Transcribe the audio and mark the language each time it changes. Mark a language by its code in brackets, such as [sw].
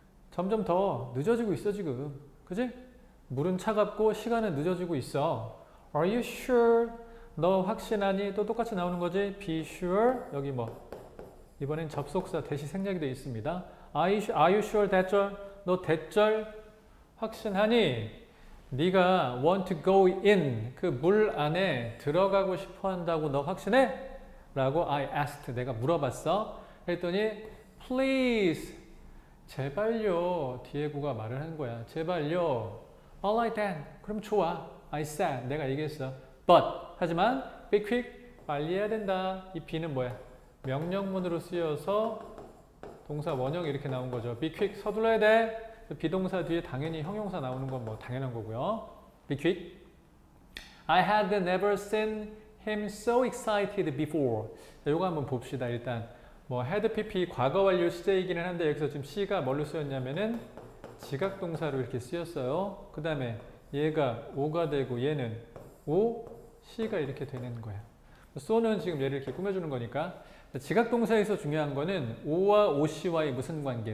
[ko] 점점 더 늦어지고 있어, 지금. 그지? 물은 차갑고 시간은 늦어지고 있어. [en] Are you sure? [ko] 너 확신하니? 또 똑같이 나오는 거지? [en] Be sure? [ko] 여기 뭐? 이번엔 접속사 대시 생략이 되어 있습니다. [en] Are you sure? [ko] 대절? 너 대절? 확신하니? 네가 [en] want to go in. [ko] 그물 안에 들어가고 싶어 한다고 너 확신해? 라고 [en] I asked. [ko] 내가 물어봤어. 그랬더니 please. 제발요. 디에고가 말을 한 거야. 제발요. [en] Alright then. [ko] 그럼 좋아. [en] I said. [ko] 내가 얘기했어. But. 하지만 [en] be quick. [ko] 빨리 해야 된다. 이 be는 뭐야? 명령문으로 쓰여서 동사 원형이 이렇게 나온 거죠. [en] be quick. [ko] 서둘러야 돼. be 동사 뒤에 당연히 형용사 나오는 건뭐 당연한 거고요. [en] be quick. I had never seen him so excited before. [ko] 요거 한번 봅시다. 일단 뭐 had PP 과거 완료 시제이기는 한데 여기서 지금 C가 뭘로 쓰였냐면은 지각 동사로 이렇게 쓰였어요. 그 다음에 얘가 O가 되고 얘는 O, C가 이렇게 되는 거야. So는 지금 얘를 이렇게 꾸며주는 거니까 지각 동사에서 중요한 거는 O와 OC와의 무슨 관계?